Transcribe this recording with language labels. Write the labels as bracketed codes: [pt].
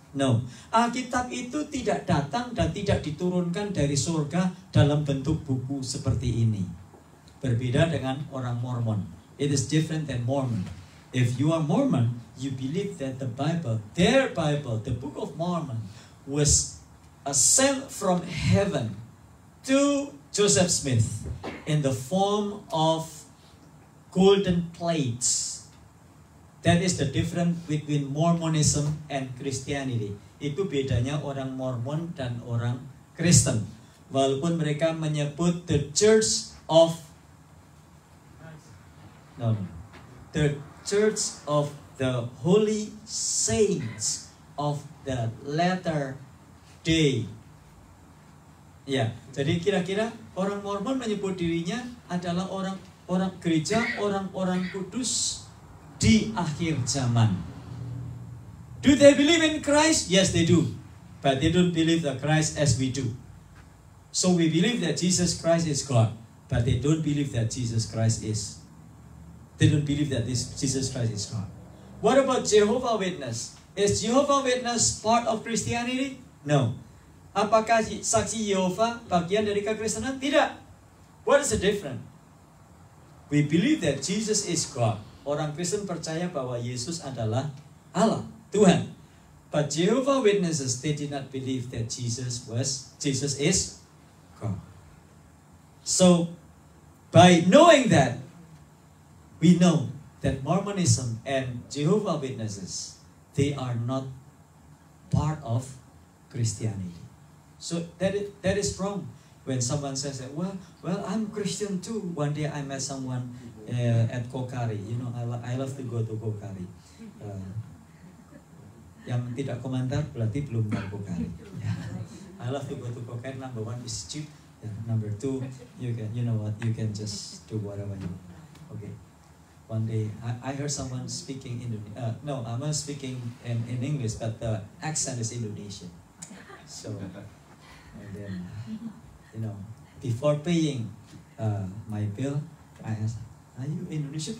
[id] No, Alkitab itu tidak datang dan tidak diturunkan dari surga dalam bentuk buku seperti ini. Berbeda dengan orang Mormon. [en] It is different than Mormon. If you are Mormon, you believe that the Bible, their Bible, the Book of Mormon, was sent from heaven to Joseph Smith in the form of golden plates. That is the difference between Mormonism and Christianity. [id] Itu bedanya orang Mormon dan orang Kristen. Walaupun mereka menyebut the Church of the Church of the Holy Saints of the Latter Day. Ya, jadi kira-kira orang Mormon menyebut dirinya adalah orang-orang gereja, orang-orang kudus di akhir zaman. [en] Do they believe in Christ? Yes, they do. But they don't believe the Christ as we do. So we believe that Jesus Christ is God, but they don't believe that Jesus Christ is. They don't believe that this Jesus Christ is God. What about Jehovah Witness? Is Jehovah Witness part of Christianity? No. [id] Apakah saksi Yehova bagian dari kekristenan? Tidak. [en] What is the difference? We believe that Jesus is God. [id] Orang Kristen percaya bahwa Yesus adalah Allah, Tuhan. [en] But Jehovah Witnesses, they did not believe that Jesus is God. So, by knowing that, we know that Mormonism and Jehovah Witnesses, they are not part of Christianity. So that is wrong when someone says that, well, I'm Christian too. One day I met someone at Kokari. You know, I love to go to Kokari. [id] Yang tidak komentar berarti belum tahu Kokari. [en] Yeah. I love to go to Kokari. Number one is cheap. Yeah. Number two, you can just do whatever you want. Okay. One day, I heard someone speaking I'm not speaking in English, but the accent is Indonesian. So, and then, you know, before paying my bill, I asked, are you Indonesian?